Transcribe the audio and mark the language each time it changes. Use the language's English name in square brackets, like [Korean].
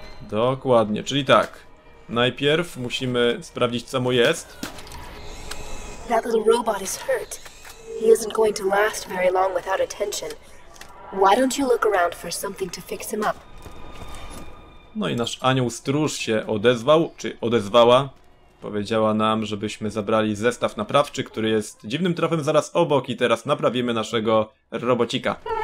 [Polish] Dokładnie, czyli tak. Najpierw musimy sprawdzić, co mu jest. [English] That little robot is hurt. He isn't going to last very long without attention. Why don't you look around for something to fix him up? [Polish] No i nasz anioł stróż się odezwał, czy odezwała. Powiedziała nam, żebyśmy zabrali zestaw naprawczy, który jest dziwnym trafem zaraz obok i teraz naprawimy naszego robocika.